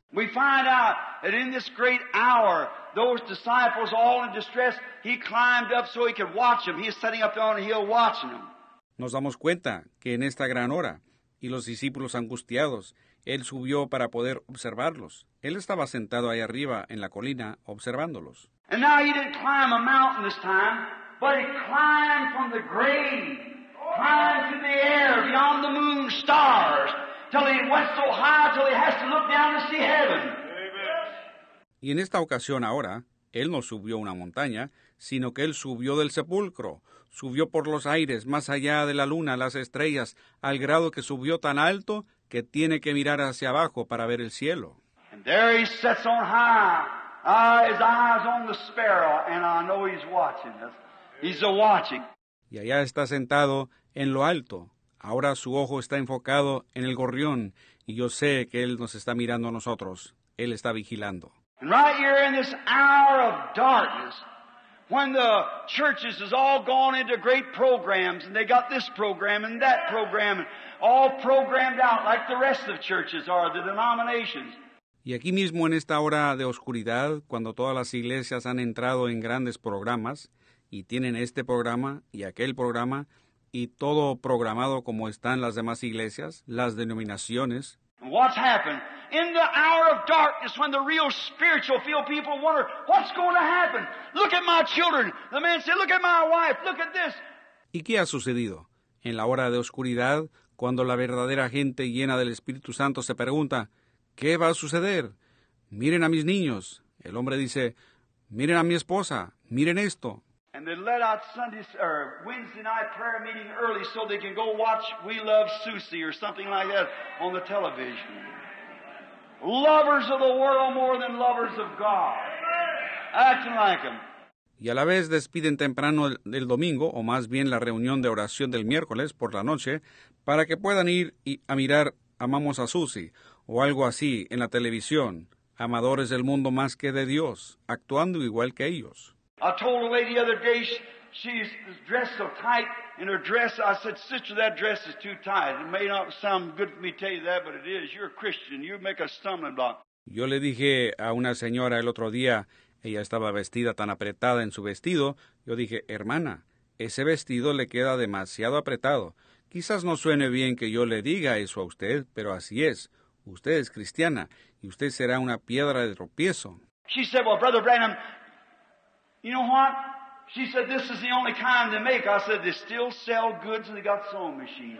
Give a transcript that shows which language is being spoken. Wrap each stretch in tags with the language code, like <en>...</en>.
<en>We find out that in this great hour, those disciples all in distress, he climbed up so he could watch them. He's sitting up there on the hill watching them.</en> <es>Nos damos cuenta que en esta gran hora, y los discípulos angustiados, él subió para poder observarlos. Él estaba sentado ahí arriba en la colina observándolos.</es> <en>And now he didn't climb a mountain this time, but he climbed from the grave, climbed to the air beyond the moon stars, till he went so high till he has to look down to see heaven.</en> <es>Y en esta ocasión ahora, él no subió una montaña, sino que él subió del sepulcro. Subió por los aires, más allá de la luna, las estrellas, al grado que subió tan alto que tiene que mirar hacia abajo para ver el cielo.</es> <en>And there he sits on high, his eyes on the sparrow, and I know he's watching us. He's a watching.</en> <es>Y allá está sentado en lo alto. Ahora su ojo está enfocado en el gorrión, y yo sé que él nos está mirando a nosotros. Él está vigilando.</es> <en>And right here in this hour of darkness, when the churches has all gone into great programs, and they got this program and that program, and all programmed out like the rest of churches are, the denominations.</en> <es>Y aquí mismo en esta hora de oscuridad, cuando todas las iglesias han entrado en grandes programas, y tienen este programa y aquel programa, y todo programado como están las demás iglesias, las denominaciones.</es> <en>What's happened? In the hour of darkness, when the real spiritual field people wonder, what's going to happen? Look at my children. The man said, look at my wife. Look at this.</en> <es>¿Y qué ha sucedido? En la hora de oscuridad, cuando la verdadera gente llena del Espíritu Santo se pregunta, ¿qué va a suceder? Miren a mis niños. El hombre dice, miren a mi esposa. Miren esto.</es> <en>And they let out Sunday or Wednesday night prayer meeting early so they can go watch We Love Susie or something like that on the television. Lovers of the world more than lovers of God. Acting like them.</en> <es>Y a la vez despiden temprano el domingo, o más bien la reunión de oración del miércoles por la noche, para que puedan ir y a mirar Amamos a Susie o algo así en la televisión, amadores del mundo más que de Dios, actuando igual que ellos.</es> <en>I told a lady the other day, she's dressed so tight in her dress. I said, sister, that dress is too tight. It may not sound good for me to tell you that, but it is. You're a Christian. You make a stumbling block.</en> <es>Yo le dije a una señora el otro día, Ella estaba vestida tan apretada en su vestido. Yo dije, hermana, ese vestido le queda demasiado apretado. Quizás no suene bien que yo le diga eso a usted, pero así es. Usted es cristiana y usted será una piedra de tropiezo.</es> <en>She said, well, Brother Branham, you know what? She said, this is the only kind they make. I said, they still sell goods and they got sewing machines.</en>